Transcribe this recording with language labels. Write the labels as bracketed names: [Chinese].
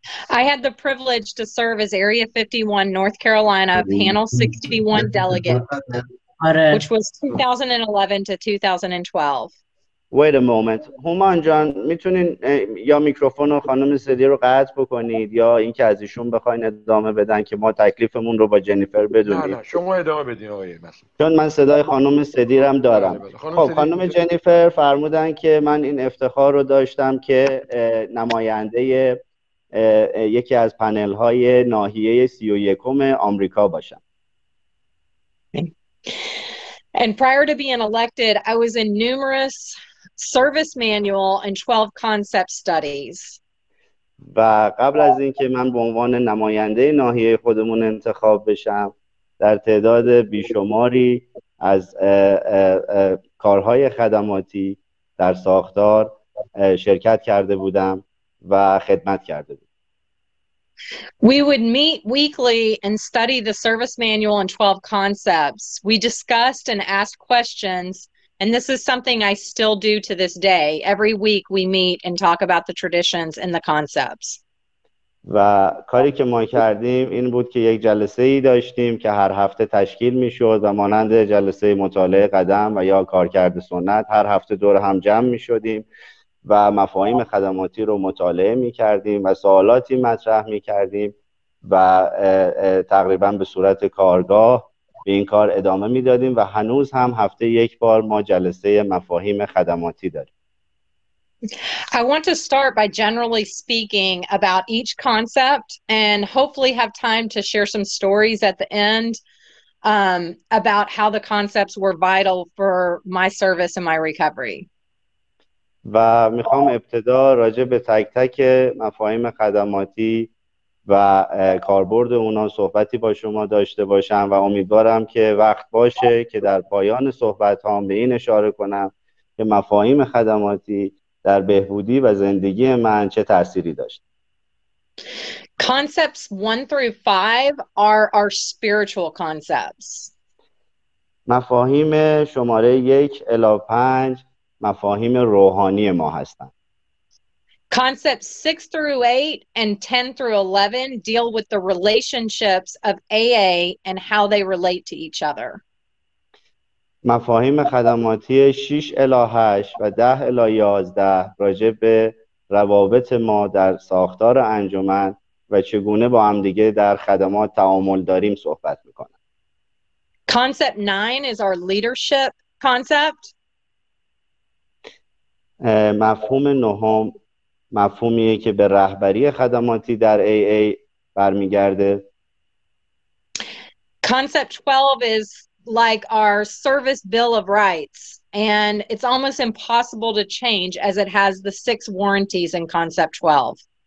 [English] I had the privilege to serve as Area 51 North Carolina Panel 61 delegate, which was 2011 to 2012. Wait a moment. [Persian] هومان جان میتونین یا میکروفون خانم سدی رو قطع بکنید یا اینکه از ایشون بخواین ادامه بدن که ما تکلیفمون رو با جنیفر بدونیم. نه شما ادامه بدین آقای مثلا. چون من صدای خانم سدی رو هم دارم. خب خانم جنیفر فرمودن که من این افتخار رو داشتم که نماینده یکی از پنل های ناحیه 31 آمریکا باشم. [English] And prior to being elected, I was in numerous service manual and 12 concept studies. [Persian] و قبل از اینکه من به عنوان نماینده ناحیه خودمون انتخاب بشم، در تعداد بیشماری از کارهای خدماتی در ساختار شرکت کرده بودم و خدمت کرده بودم. [English] We would meet weekly and study the service manual and 12 concepts. We discussed and asked questions, and this is something I still do to this day. Every week we meet and talk about the traditions and the concepts. [Persian] و کاری که ما کردیم این بود که یک جلسه ای داشتیم که هر هفته تشکیل می شد و مانند جلسه مطالعه قدم و یا کارکرد سنت هر هفته دور هم جمع می شدیم و مفاهیم خدماتی رو مطالعه می کردیم و سوالاتی مطرح می کردیم و تقریبا به صورت کارگاه به این کار ادامه می دادیم و هنوز هم هفته یک بار ما جلسه مفاهیم خدماتی داریم. [English] I want to start by generally speaking about each concept and hopefully have time to share some stories at the end about how the concepts were vital for my service and my recovery. [Persian] و میخوام ابتدا راجع به تک تک مفاهیم خدماتی و کاربرد اونا صحبتی با شما داشته باشم و امیدوارم که وقت باشه که در پایان صحبت هام به این اشاره کنم که مفاهیم خدماتی در بهبودی و زندگی من چه تأثیری داشت. [English] Concepts 1 through 5 are our spiritual concepts. [Persian] مفاهیم شماره 1 الی 5 مفاهیم روحانی ما هستند. [English] Concepts 6 through 8 and 10 through 11 deal with the relationships of AA and how they relate to each other. [Persian] مفاهیم خدماتی 6 الی 8 و 10 الی 11 راجع به روابط ما در ساختار انجمن و چگونه با هم دیگه در خدمات تعامل داریم صحبت می‌کنند. [English] Concept 9 is our leadership concept. [Persian] مفهوم نهم مفهومیه که به رهبری خدماتی در AA برمیگرده. [English] Concept 12 is like our service bill of rights and it's almost impossible to change as it has the six warranties in concept 12.